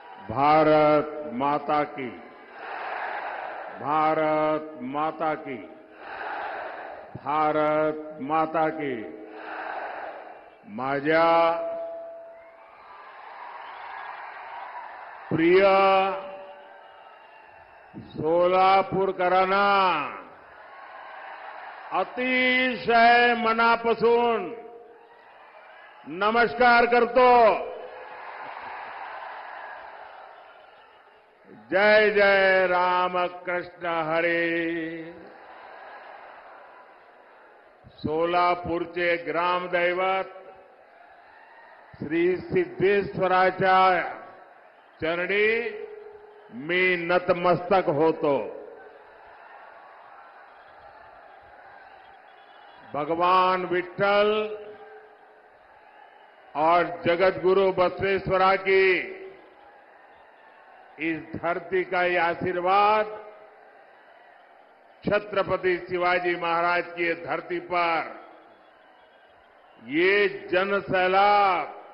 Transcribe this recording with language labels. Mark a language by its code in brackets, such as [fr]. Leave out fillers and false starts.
[hi] भारत माता की, भारत माता की, भारत माता की। [mr] माझ्या प्रिय सोलापूरकरांना अतिशय मनापासून नमस्कार करतो। जय जय राम कृष्ण हरे। सोलापूरचे ग्रामदैवत श्री सिद्धेश्वराच्या चरणी मी नतमस्तक होतो। [hi] भगवान विठ्ठल और जगद्गुरु बसवेश्वरा की इस धरती का ये आशीर्वाद, छत्रपति शिवाजी महाराज की धरती पर ये जन सैलाब,